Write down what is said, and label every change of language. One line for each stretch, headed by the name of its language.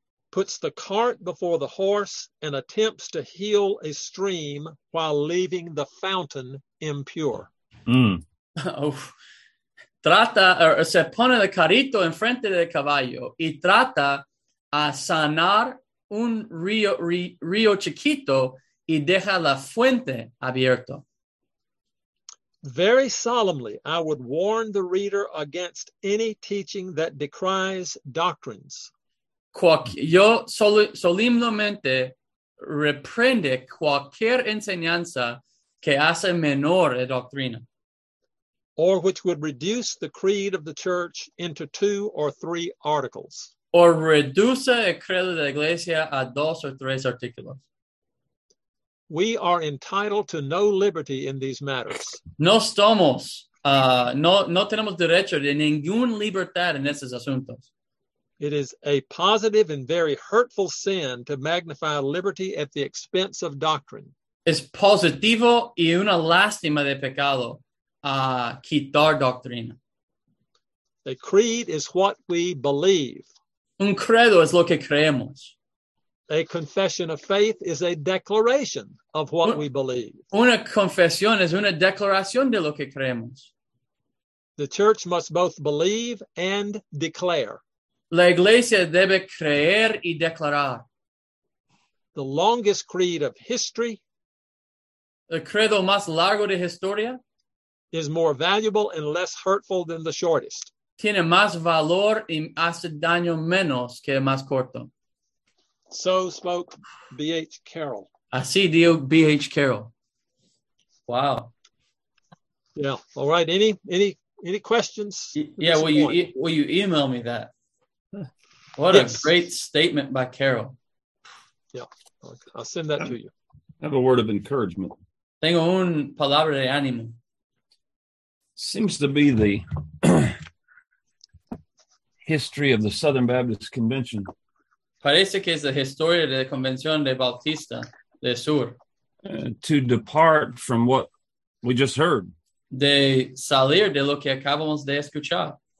English: Puts the cart before the horse and attempts to heal a stream while leaving the fountain impure.
Spanish: Se pone el carrito enfrente del caballo y trata a sanar un río chiquito y deja la fuente abierto.
English: Very solemnly, I would warn the reader against any teaching that decries doctrines.
Spanish: Yo solemnemente reprende cualquier enseñanza que hace menor la doctrina.
English: Or which would reduce the creed of the church into two or three articles.
Spanish: O reduce el credo de la iglesia a dos o tres artículos.
English: We are entitled to no liberty in these matters.
Spanish: No estamos, no tenemos derecho de ninguna libertad en estos asuntos.
English: It is a positive and very hurtful sin to magnify liberty at the expense of doctrine.
Spanish: Es positivo y una lástima de pecado a quitar doctrina.
English: A creed is what we believe.
Spanish: Un credo es lo que creemos.
English: A confession of faith is a declaration of what we believe.
Spanish: Una confesión es una declaración de lo que creemos.
English: The church must both believe and declare.
Spanish: La iglesia debe creer y declarar.
English: The longest creed of history.
Spanish: El credo más largo de historia.
English: Is more valuable and less hurtful than the shortest.
Spanish: Tiene más valor y hace daño menos que el más corto.
English: So spoke B.H. Carroll.
Spanish: Así dijo B.H. Carroll.
English: Wow. Yeah. All right. Any questions? Yeah. Will you email me that? What a great statement by Carol. Yeah, I'll send that to you. I have a word of encouragement.
Spanish: Tengo un palabra de ánimo.
English: Seems to be the history of the Southern Baptist Convention.
Spanish: Parece que es la historia de la Convención de Bautista del Sur.
English: To depart from what we just heard.
Spanish: De salir de lo que acabamos de escuchar.